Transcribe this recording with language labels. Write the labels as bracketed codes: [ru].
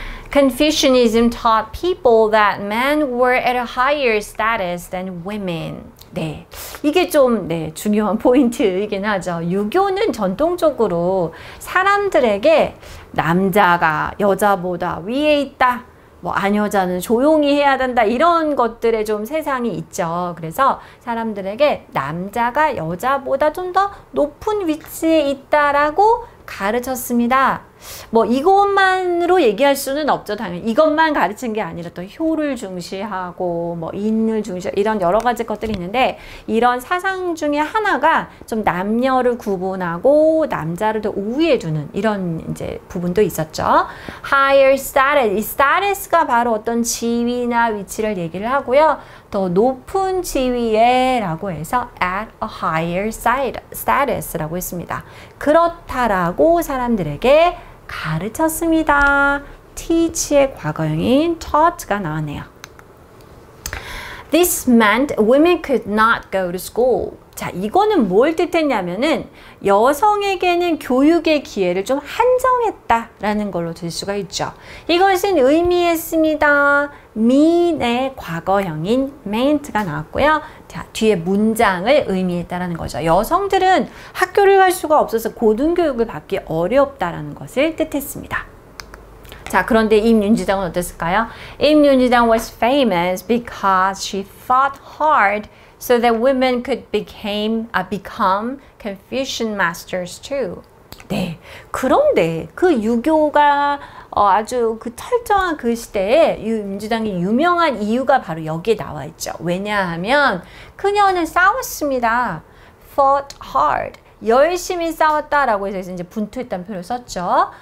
[en] Confucianism taught people that men were at a higher status than women. [ko] 네, 이게 좀 네, 중요한 포인트이긴 하죠. 유교는 전통적으로 사람들에게 남자가 여자보다 위에 있다, 뭐 아녀자는 조용히 해야 된다 이런 것들의 좀 세상이 있죠. 그래서 사람들에게 남자가 여자보다 좀 더 높은 위치에 있다라고 가르쳤습니다. 뭐 이것만으로 얘기할 수는 없죠. 당연히 이것만 가르친 게 아니라 또 효를 중시하고 뭐 인을 중시하고 이런 여러 가지 것들이 있는데 이런 사상 중에 하나가 좀 남녀를 구분하고 남자를 더 우위에 두는 이런 이제 부분도 있었죠. [en] Higher status. [ko] 이 status가 바로 어떤 지위나 위치를 얘기를 하고요. 더 높은 지위에 라고 해서 [en] at a higher status [ko] 라고 했습니다. 그렇다라고 사람들에게 가르쳤습니다. teach의 과거형인 taught가 나왔네요. [en] This meant women could not go to school. [ko] 자, 이거는 뭘 뜻했냐면은 여성에게는 교육의 기회를 좀 한정했다라는 걸로 들 수가 있죠. 이것은 의미했습니다. mean의 과거형인 meant가 나왔고요. 자, 뒤에 문장을 의미했다라는 거죠. 여성들은 학교를 갈 수가 없어서 고등교육을 받기 어렵다라는 것을 뜻했습니다. 자, 그런데 임윤지당은 어땠을까요? [en] 임윤지당 was famous because she fought hard so that women could become Confucian masters too. [ko] 네, 그런데 그 유교가 아주 그 철저한 그 시대에 임윤지당이 유명한 이유가 바로 여기에 나와 있죠. 왜냐하면 그녀는 싸웠습니다. [en] fought hard. [ko] 열심히 싸웠다라고 해서 이제 분투했다는 표현을 썼죠.